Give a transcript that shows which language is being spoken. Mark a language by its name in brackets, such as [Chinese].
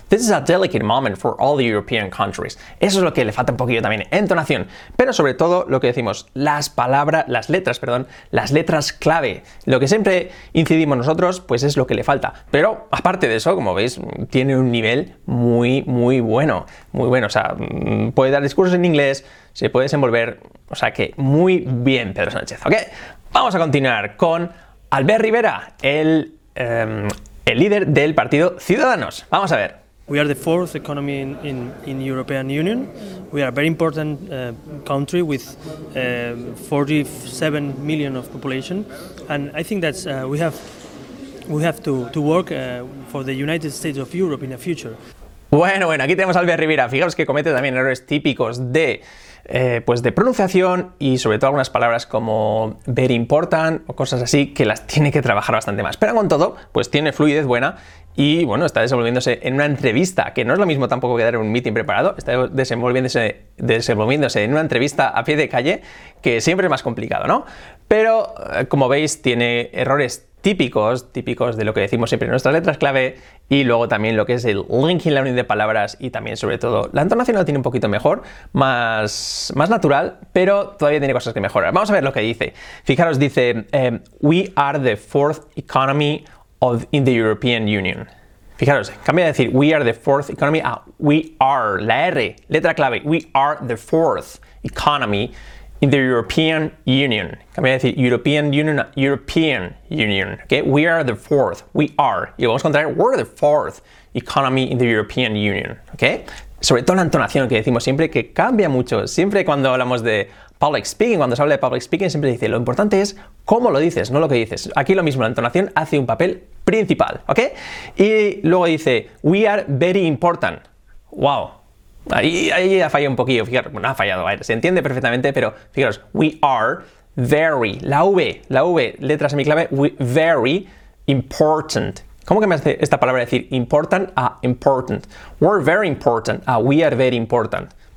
[English] "This is a delicate moment for all the European countries". [Spanish] Eso es lo que le falta un poquito también, entonación. Pero sobre todo lo que decimos, las letras clave. Lo que siempre incidimos nosotros, pues es lo que le falta. Pero aparte de eso, como veis, tiene un nivel muy, muy bueno. Muy bueno, o sea, puede dar discursos en inglés, se puede desenvolver. O sea que muy bien, Pedro Sánchez. ¿Okay? Vamos a continuar con Albert Rivera, el líder del partido Ciudadanos. Vamos a ver. [English] We are the fourth economy in European Union. We are a very important country with 47 million of population, and I think that we have to work for the United States of Europe in the future. [Spanish] Bueno, aquí tenemos a Albert Rivera. Fijaos que comete también errores típicos de pues de pronunciación y sobre todo algunas palabras como [English] "very important" [Spanish] o cosas así que las tiene que trabajar bastante más. Pero con todo, pues tiene fluidez buena y bueno, está desenvolviéndose en una entrevista, que no es lo mismo tampoco que dar un meeting preparado, está desenvolviéndose en una entrevista a pie de calle, que siempre es más complicado, ¿no? Pero como veis, tiene errores típicos de lo que decimos siempre en nuestras letras clave y luego también lo que es el linking, la unión de palabras y también sobre todo la entonación lo tiene un poquito mejor, más natural, pero todavía tiene cosas que mejorar. Vamos a ver lo que dice. Fijaros, dice [English] "we are the fourth economy in the European Union". [Spanish] Fijaros, cambia de decir [English] "we are the fourth economy" a "we are", [Spanish] la R, letra clave, [English] "we are the fourth economy in the European Union. [Spanish] También decir [English] European Union, European Union. Okay? We are the fourth. We are. [Spanish] Y vamos a contraer, [English] we're the fourth economy in the European Union. Okay? [Spanish] Sobre todo la entonación que decimos siempre, que cambia mucho. Siempre cuando hablamos de public speaking, cuando se habla de public speaking, siempre dice lo importante es cómo lo dices, no lo que dices. Aquí lo mismo, la entonación hace un papel principal, ¿ok? Y luego dice, [English] we are very important. ¡Wow! [Spanish] Ahí ha fallado un poquillo, fijaros. Bueno, ha fallado, a ver, se entiende perfectamente, pero fijaros, [English] we are very, la V, [Spanish] letra semiclave, very important. ¿Cómo que me hace esta palabra decir important a important? [English] We're very important a we are very important.